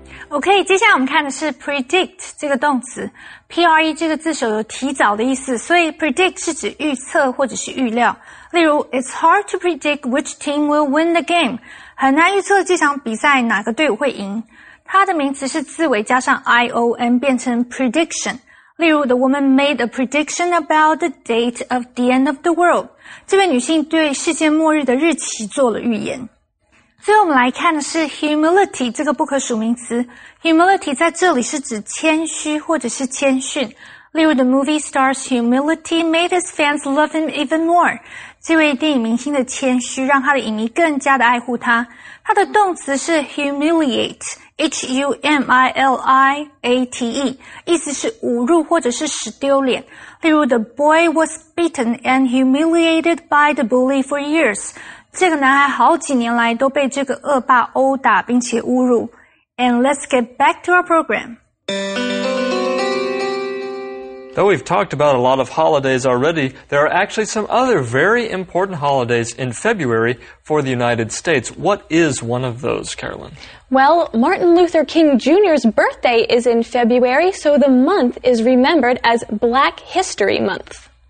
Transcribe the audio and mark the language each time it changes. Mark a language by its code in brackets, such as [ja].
[zh] OK, 接下来我们看的是 predict 这个动词。PRE 这个字首有提早的意思，所以 predict 是指预测或者是预料。例如 [en] ,it's hard to predict which team will win the game. [zh] 很难预测这场比赛哪个队伍会赢。它的名词是字尾加上 ION 变成 prediction。例如 [en] ,the woman made a prediction about the date of the end of the world. [zh] 这位女性对世界末日的日期做了预言。最后我们来看的是 humility 这个不可数名词。 Humility 在这里是指谦虚或者是谦逊。例如 [en] ,the movie star's humility made his fans love him even more. [zh] 这位电影明星的谦虚让他的影迷更加的爱护他。他的动词是 humiliate, H-U-M-I-L-I-A-T-E, 意思是侮辱或者是使丢脸。例如 [en] ,the boy was beaten and humiliated by the bully for years. [zh] 这个男孩好几年来都被这个恶霸殴打并且侮辱。 [en] And let's get back to our program. Though we've talked about a lot of holidays already, there are actually some other very important holidays in February for the United States. What is one of those, Carolyn? Well, Martin Luther King Jr.'s birthday is in February, so the month is remembered as Black History Month.